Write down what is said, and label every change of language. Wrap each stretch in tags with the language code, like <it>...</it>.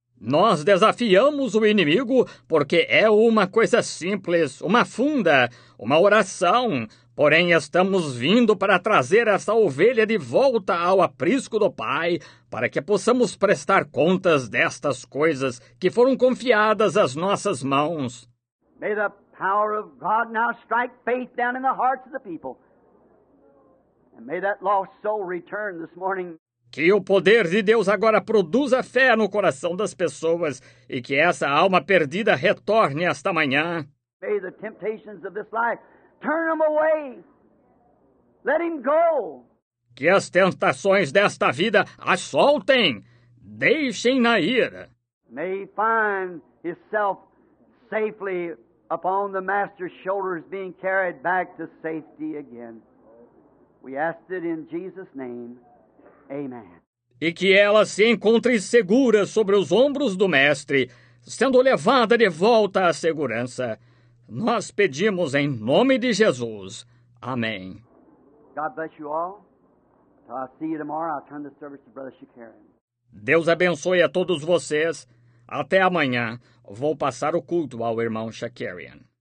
<pt>Nós desafiamos o inimigo porque é uma coisa simples, uma funda, uma oração. Porém, estamos vindo para trazer essa ovelha de volta ao aprisco do Pai para que possamos prestar contas destas coisas que foram confiadas às nossas mãos.</pt> <en>May the power of God now strike faith down in the hearts of the people. And may that lost soul return this morning.</en> <pt>Que o poder de Deus agora produza fé no coração das pessoas e que essa alma perdida retorne esta manhã.</pt> <en>May the temptations of this life turn him away. Let him go.</en> <pt>Que as tentações desta vida a soltem. Deixem-na ir.</pt> <en>May he find himself safely upon the master's shoulders being carried back to safety again. We ask it in Jesus' name. Amen.</en> <pt>E que ela se encontre segura sobre os ombros do Mestre, sendo levada de volta à segurança. Nós pedimos em nome de Jesus. Amém.</pt> <en>God bless you all. Until I see you tomorrow, I'll turn the service to Brother Shakarian.</en> <pt>Deus abençoe a todos vocês. Até amanhã. Vou passar o culto ao irmão Shakarian.</pt>